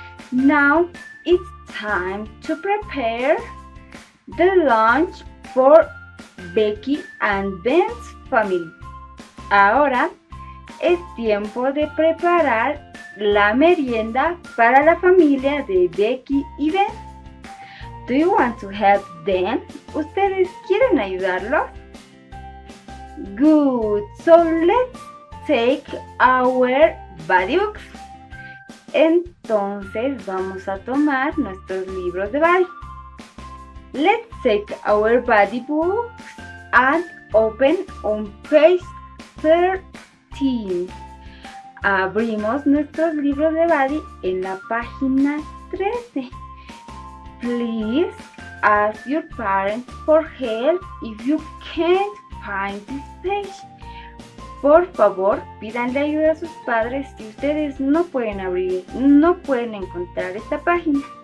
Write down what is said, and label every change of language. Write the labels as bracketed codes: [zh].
[en] Now it's time to prepare the lunch for Becky and Ben's family. [es] Ahora es tiempo de preparar la merienda para la familia de Becky y Ben. [en] Do you want to help them? [es] ¿Ustedes quieren ayudarlos? [en] Good, so let's take our buddy books. [es] Entonces vamos a tomar nuestros libros de buddy. [en] Let's take our buddy books and open on page 13. [es] Abrimos nuestros libros de buddy en la página 13. [en] Please ask your parents for help if you can't find this page. [es] Por favor, pídanle ayuda a sus padres si ustedes no pueden encontrar esta página.